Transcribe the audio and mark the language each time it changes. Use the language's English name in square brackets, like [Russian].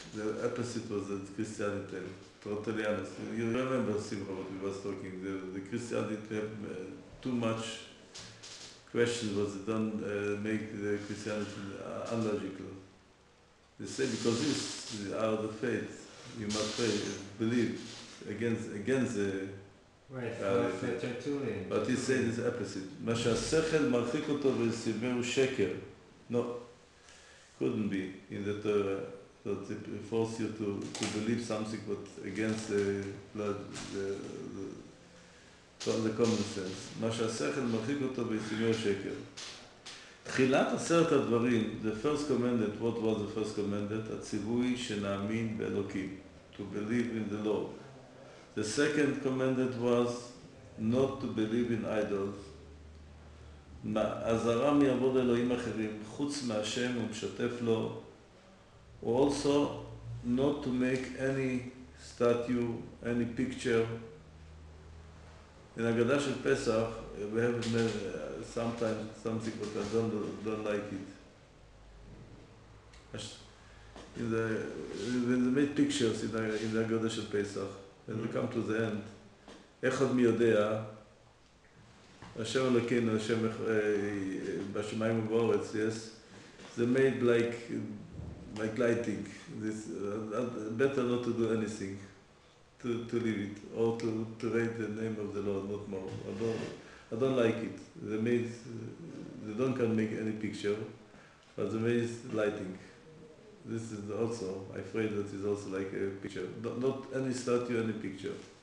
[English] The opposite was that Christianity, totally honest. You remember Simcha what we were talking, the Christianity have too much questions, but they don't make the Christianity illogical. They say, because this is out of faith, you must pray, believe against the right, Tertullian. But he said it's opposite. [Hebrew] מה שהשכל מרחיק אותו וסיבר שקר. [English] No, couldn't be in the Torah that it forced you to believe something but against the common sense. [Hebrew] מה שהשכל מרחיק אותו וסיבר שקר. תחילת עשרת הדברים, [English] the first commandment, what was the first commandment? [Hebrew] הציווי שנאמין באלוקים. [English] To believe in the Lord. The second commandment was not to believe in idols. [Hebrew] עזרה מעבוד אלוהים אחרים, חוץ מהשם ומשתף לו, [English] or also not to make any statue, any picture. In Agadah של פסח, we have sometimes something, but I don't like it. In the made pictures in the Agadah של פסח, and we come to the end. [Hebrew] אחד מי יודע, השם אלוקינו, השם בשמיים ובארץ, [English] yes, they made like lighting. This, better not to do anything, to leave it, or to write the name of the Lord, not more. I don't like it. They don't can make any picture, but they made lighting. This is also, I afraid that it's also like a picture. Not any statue, any picture.